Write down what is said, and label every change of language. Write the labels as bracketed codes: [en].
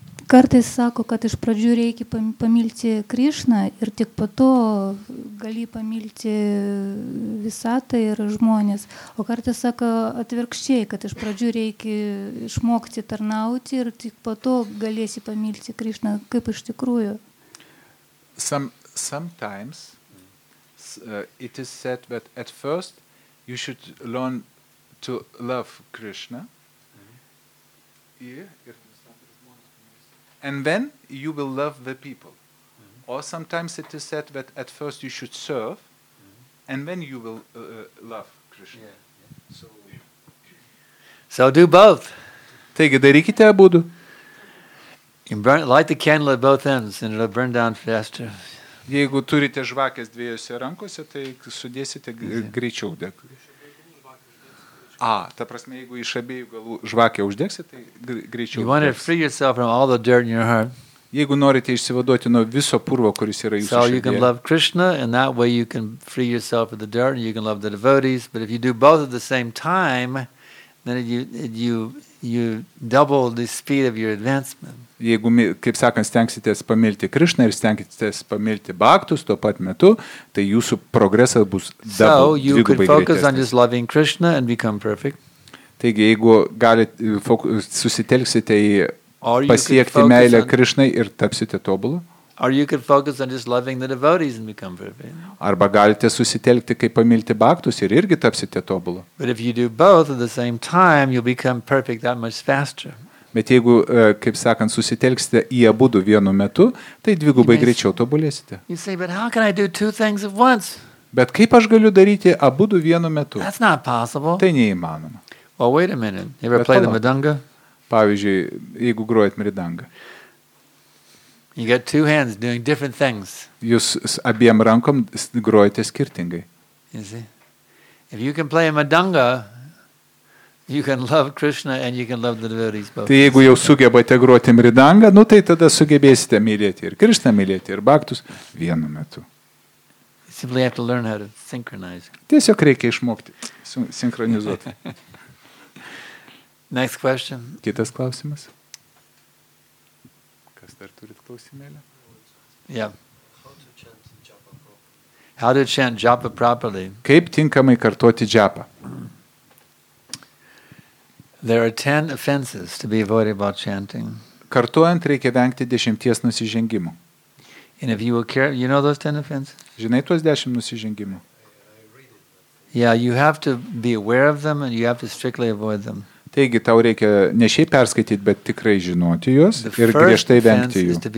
[lt] Kartais sako, kad iš pradžių reikia pamilti Krišną ir tik po to gali pamilti visatą ir žmonės. O kartais sako atvirkščiai, kad iš pradžių reikia išmokti tarnauti ir tik po to galėsi pamilti Krišną. Kaip iš tikrųjų? [en] Sometimes it is said that at first you should learn to love Krishna. And then you will love the people. Mm-hmm. Or sometimes it is said that at first you should serve, mm-hmm. and then you will love Krishna. So do both. [lt] Taigi, darykite abudu. [en] Light the candle at both ends and it'll burn down faster. [lt] Jeigu turite žvakės dviejose rankose, tai sudėsite greičiau. Ta prasme, jeigu iš abiejų galų žvakę uždegsite, tai greičiau. [en] You want to free yourself from all the dirt in your heart. [lt] Jeigu norite išsivaduoti nuo viso purvo, kuris yra jūsų širdyje. [en] So you can love Krishna and that way you can free yourself of the dirt and you can love the devotees, but if you do both at the same time, then you double the speed of your advancement. [lt] Jeigu, kaip sakant, stengsitės pamilti Krishna ir stengsitės pamilti Bhaktus tuo pat metu, tai jūsų progresas bus dvigubai greitesnis. Taigi, jeigu galit, susitelksite į pasiekti meilę Krishnai ir tapsite tobulu. [en] Or you could focus on just loving the devotees and become perfect. [lt] Arba galite susitelkti kaip pamilti baktus ir irgi tapsite tobulu. [en] But if you do both at the same time, you'll become perfect that much faster. [lt] Bet jeigu, kaip sakant, susitelksite į abudu vienu metu, tai dvigubai greičiau tobulėsite. [en] You say, but how can I do two things at once? [lt] Bet kaip aš galiu daryti abudu vienu metu? [en] That's not possible. [lt] Tai neįmanoma. [en] Well, wait a minute. You ever play the mridanga? [lt] Pavyzdžiui, jeigu grojat mridangą. [en] You got two hands doing different things. [lt] Jūs abiem rankom grojate skirtingai. [en] You see? If you can play a mridanga, you can love Krishna and you can love the devotees both. [lt] Tai jeigu jau sugebate groti mridangą, nu tai tada sugebėsite mylėti ir Krishna, mylėti ir baktus vienu metu. [en] You simply have to learn how to synchronize. [lt] Tiesiog reikia išmokti sinchronizuoti. [en] Next question. [lt] Kitas klausimas. Dar turit klausimėlę? [en] Yeah. How to chant japa properly? [lt] Kaip tinkamai kartoti japa? [en] There are 10 offenses to be avoided about chanting. [lt] Kartojant reikia vengti 10 nusižengimų. [en] And if you will care, you know those 10 offenses? [lt] Žinai tuos 10 nusižengimų? [en] Yeah, you have to be aware of them and you have to strictly avoid them. [lt] Taigi, tau reikia ne šiaip perskaityti, bet tikrai žinoti juos ir griežtai vengti jų.